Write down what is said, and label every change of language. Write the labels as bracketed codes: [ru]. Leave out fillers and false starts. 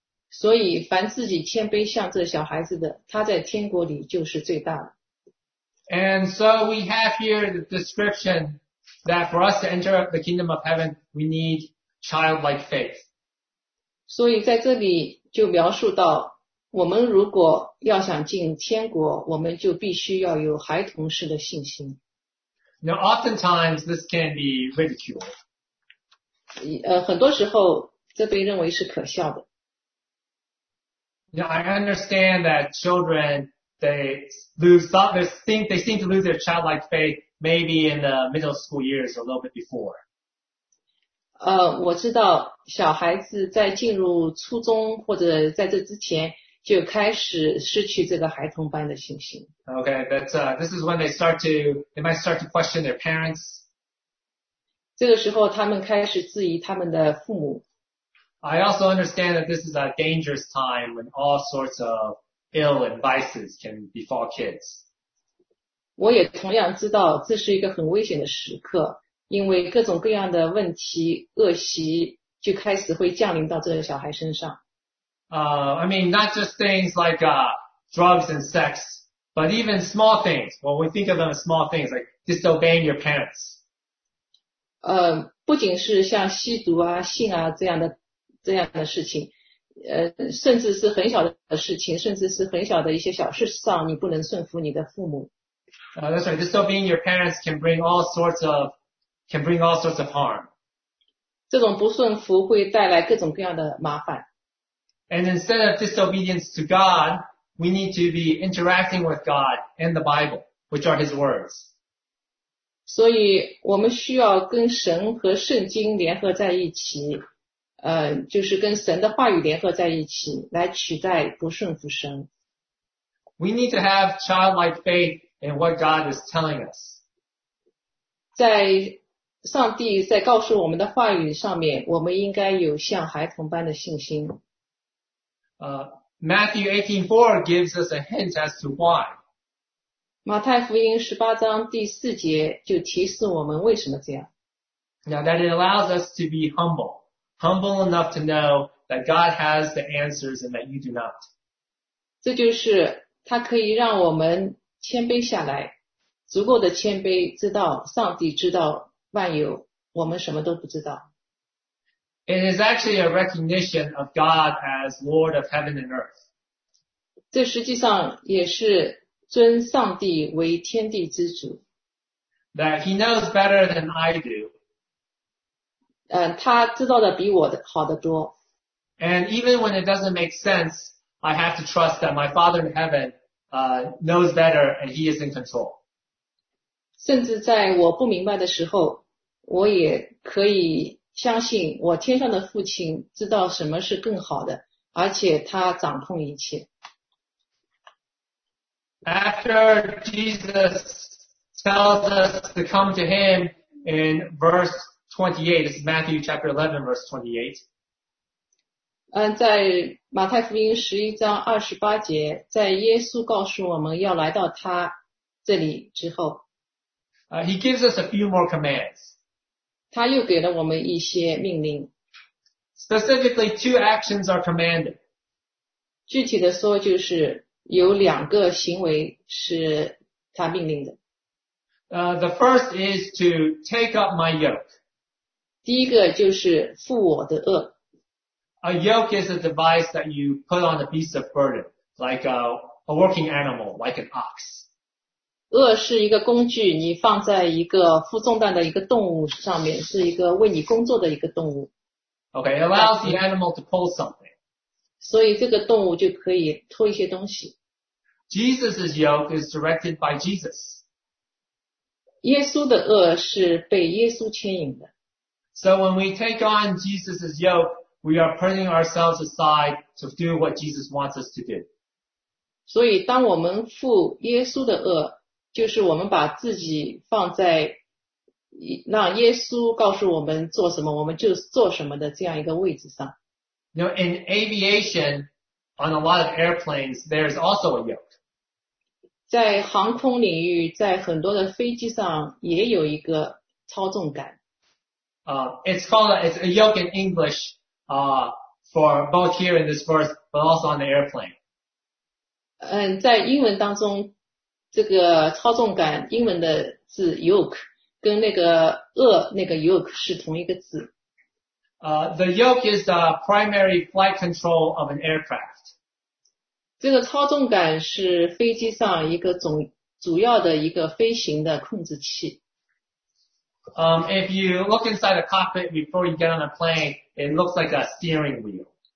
[zh] 所以，凡自己谦卑像这小孩子的，他在天国里就是最大的。 [en] And so we have here the description that for us to enter the kingdom of heaven, we need childlike faith. [zh] 所以在这里就描述到我们如果要想进天国，我们就必须要有孩童式的信心。 [en] Now, oftentimes this can be ridiculed. [zh] 很多时候这被认为是可笑的。 [en] you know, I understand that children, they lose some, they seem to lose their childlike faith maybe in the middle school years or a little bit before. [zh] 我知道小孩子在进入初中或者在这之前就开始失去这个孩童般的信心。 [en] Okay, that's, this is when they might start to question their parents. [zh] 这个时候他们开始质疑他们的父母。 [en] I also understand that this is a dangerous time when all sorts of ill and vices can befall kids. [zh] 我也同样知道这是一个很危险的时刻。因为各种各样的问题恶习就开始会降临到这个小孩身上。 [en] I mean, not just things like, drugs and sex, but even small things. When we think of them as small things, like disobeying your parents. [zh] 不仅是像吸毒啊、性啊这样的事情，甚至是很小的事情，甚至是很小的一些小事上，你不能顺服你的父母。 [en] That's right. Disobeying your parents can bring all sorts of harm. [zh] 这种不顺服会带来各种各样的麻烦。 [en] And instead of disobedience to God, we need to be interacting with God and the Bible, which are His words. [zh] 所以我们需要跟神和圣经联合在一起，就是跟神的话语联合在一起，来取代不顺服神。 [en] We need to have childlike faith in what God is telling us. [zh] 在上帝在告诉我们的话语上面，我们应该有像孩童般的信心。 [en] Matthew 18:4 gives us a hint as to why. [zh] 马太福音十八章第四节就提示我们为什么这样。 [en] Now that it allows us to be humble, humble enough to know that God has the answers and that you do not. [zh] 这就是它可以让我们谦卑下来，足够的谦卑，知道上帝知道。万有，我们什么都不知道。 [en] It is actually a recognition of God as Lord of heaven and earth. [zh] 这实际上也是尊上帝为天地之主。 [en] That he knows better than I do. [zh] 他知道的比我的好得多。 [en] And even when it doesn't make sense, I have to trust that my Father in heaven, knows better and he is in control. [zh] 甚至在我不明白的时候，我也可以相信我天上的父亲知道什么是更好的，而且他掌控一切。 [en] After Jesus tells us to come to him in verse 28, this is Matthew chapter 11, verse 28. [zh] 在马太福音11章28节，在耶稣告诉我们要来到他这里之后， [en] He gives us a few more commands. [zh] 他又给了我们一些命令。 [en] Specifically, two actions are commanded. [zh] 具体的说就是有两个行为是他命令的。 [en] The first is to take up my yoke. [zh] 第一个就是负我的轭。 [en] A yoke is a device that you put on a beast of burden, like a working animal, like an ox. [zh] 轭是一个工具，你放在一个负重担的一个动物上面，是一个为你工作的一个动物。 [en] Okay, it allows the animal to pull something. [zh] 所以这个动物就可以拖一些东西。 [en] Jesus's yoke is directed by Jesus. [zh] 耶稣的轭是被耶稣牵引的。 [en] So when we take on Jesus's yoke, we are putting ourselves aside to do what Jesus wants us to do. [zh] 所以当我们负耶稣的轭，就是我们把自己放在让耶稣告诉我们做什么，我们就做什么的这样一个位置上。 [en] Now, in aviation, on a lot of airplanes, there's also a yoke. [zh] 在航空领域，在很多的飞机上也有一个操纵杆。 [en] It's a yoke in English, for both here in this verse, but also on the airplane. [zh] 在英文当中这个操纵杆英文的字 yoke 跟那个轭那个 yoke 是同一个字。 [en] The yoke is the primary flight control of an aircraft. [zh] 这个操纵杆是飞机上一个主要的一个飞行的控制器。 [en] If you look inside a cockpit before you get on a plane, it looks like a steering wheel.